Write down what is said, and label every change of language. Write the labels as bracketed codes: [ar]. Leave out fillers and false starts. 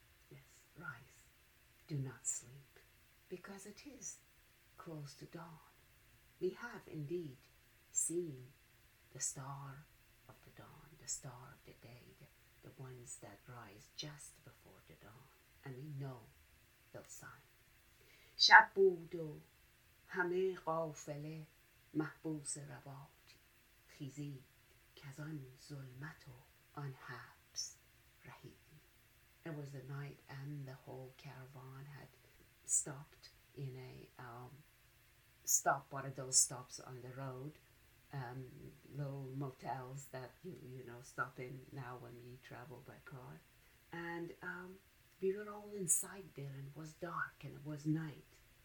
[en] Yes, rise, do not sleep, because it is close to dawn. We have indeed seen the star of the dawn, the star of the day, the ones that rise just before the dawn, and we know they'll sign. [fa] شب بود و همه قافله محبوس رباط خیزید کز آن ظلمت و آن حبس رهید. [en] It was the night and the whole caravan had stopped in a one of those stops on the road, little motels that you know stop in now when we travel by car. And we were all inside there, and it was dark and it was night.